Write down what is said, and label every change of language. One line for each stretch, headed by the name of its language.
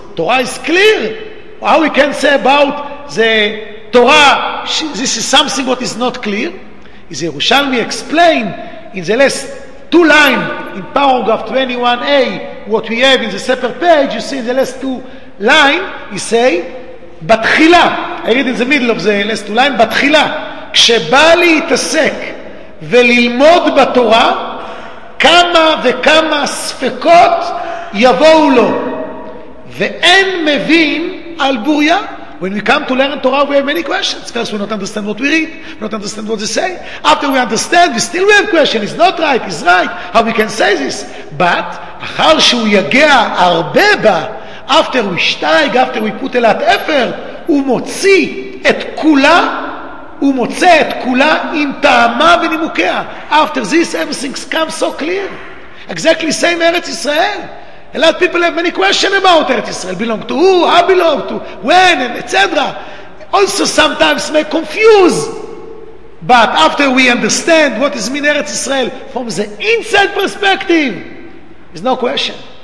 English: Torah is clear. How we can say about the Torah, this is something what is not clear. Is the Yerushalmi explain in the last two lines in paragraph 21a what we have in the separate page? You see in the last two lines, he say, Batchila. I read in the middle of the last two lines, Batchila.
Hebrew: כשבא להתעסק וללמוד בתורה, כמה וכמה ספקות יבואו לו. ואין מבין על בוריה.
English: When we come to learn Torah, we have many questions. First, we don't understand what we read. We don't understand what they say. After we understand, we still have questions. It's not right. It's right. How we can say this? But,
Hebrew: אחר שהוא יגיע הרבה בה,
English: after we steig, after we put a lot of effort,
Hebrew: הוא מוציא את כולה, הוא מוצא את כולה עם טעמה ונימוקיה.
English: After this, everything comes so clear. Exactly same ארץ ישראל. A lot of people have many questions about ארץ ישראל. Belong to who? I belong to when? And etc. Also sometimes may confuse. But after we understand what is mean ארץ ישראל from the inside perspective, there's no question.